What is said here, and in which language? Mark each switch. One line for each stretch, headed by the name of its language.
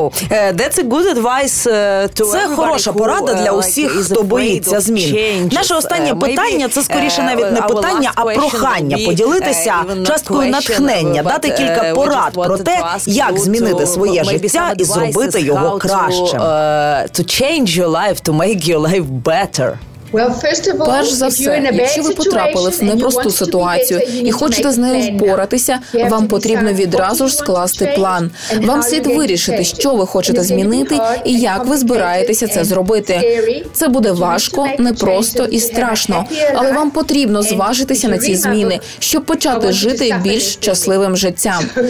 English: That's a good advice to
Ukrainian: це хороша порада для усіх, хто боїться змін. Наше останнє питання, це скоріше навіть не питання, а прохання поділитися часткою натхнення, дати кілька порад про те, як змінити своє життя і зробити його кращим.
English: To change your life, to make your life better.
Ukrainian: Перш за все, якщо ви потрапили в непросту ситуацію і хочете з нею впоратися, вам потрібно відразу ж скласти план. Вам слід вирішити, що ви хочете змінити і як ви збираєтеся це зробити. Це буде важко, непросто і страшно, але вам потрібно зважитися на ці зміни, щоб почати жити більш щасливим життям.